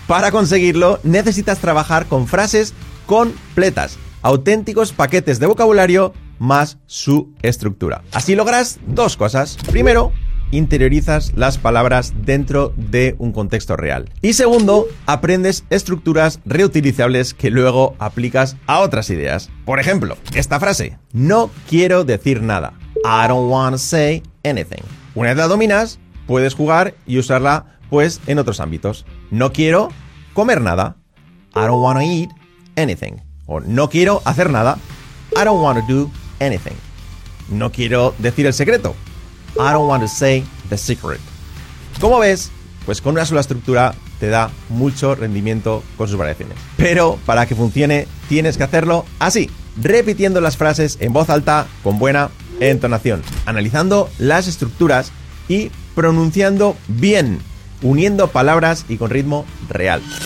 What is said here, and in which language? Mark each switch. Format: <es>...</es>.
<es>Para conseguirlo, necesitas trabajar con frases completas, auténticos paquetes de vocabulario más su estructura. Así logras dos cosas. Primero, interiorizas las palabras dentro de un contexto real. Y segundo, aprendes estructuras reutilizables que luego aplicas a otras ideas. Por ejemplo, esta frase: no quiero decir nada.</es> <en>I don't want to say anything.</en> <es>Una vez la dominas, puedes jugar y usarla pues en otros ámbitos. No quiero comer nada.</es> <en>I don't want to eat anything.</en> <es>O no quiero hacer nada.</es> <en>I don't want to do anything.</en> <es>No quiero decir el secreto.</es> <en>I don't want to say the secret.</en> <es>¿Cómo ves? Pues con una sola estructura te da mucho rendimiento con sus variaciones. Pero para que funcione, tienes que hacerlo así, repitiendo las frases en voz alta con buena entonación, analizando las estructuras y pronunciando bien, uniendo palabras y con ritmo real.</es>